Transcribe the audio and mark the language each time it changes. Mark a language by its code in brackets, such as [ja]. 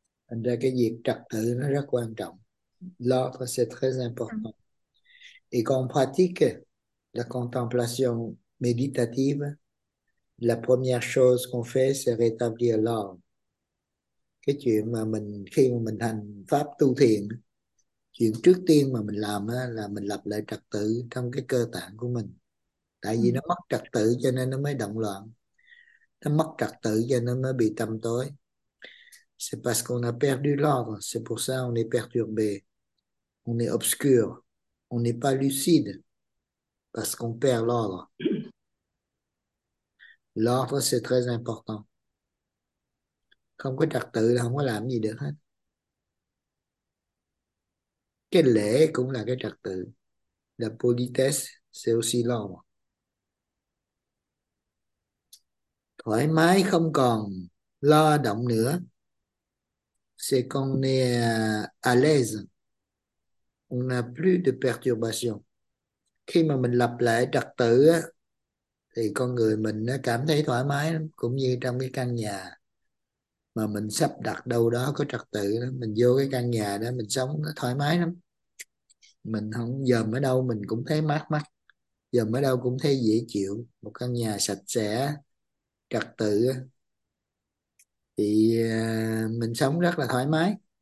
[vi] thành ra cái việc trật tự nó rất quan trọng. [fr] L'ordre c'est très important. Et quand on pratique la contemplation méditative, la première chose qu'on fait c'est rétablir l'ordre. [vi] Cái chuyện mà mình khi mà mình hành pháp tu thiền, chuyện trước tiên mà mình làm á, là mình lập lại trật tự trong cái cơ tạng của mình. Tại vì nó mất trật tự cho nên nó mới động loạn. Nó mất trật tự cho nên nó bị tâm tối. [fr] C'est parce qu'on a perdu l'ordre, c'est pour ça qu'on est perturbé. On est obscur, on n'est pas lucide parce qu'on perd l'ordre. L'ordre, c'est très important. [vi] Không có trật tự là không có làm gì được hết. Cái lễ cũng là cái trật tự. [fr] La politesse, c'est aussi l'ordre. [vi] Thoải mái không còn lo động nữa. [fr] C'est qu'on est à l'aise. On n'a plus de perturbation. [vi] Khi mà mình lập lại trật tự á, thì con người mình nó cảm thấy thoải mái lắm, cũng như trong cái căn nhà mà mình sắp đặt đâu đó có trật tự đó, mình vô cái căn nhà đó mình sống nó thoải mái lắm. Mình không dòm ở đâu mình cũng thấy mát mắt, dòm ở đâu cũng thấy dễ chịu, một căn nhà sạch sẽ trật tự thì mình sống rất là thoải mái.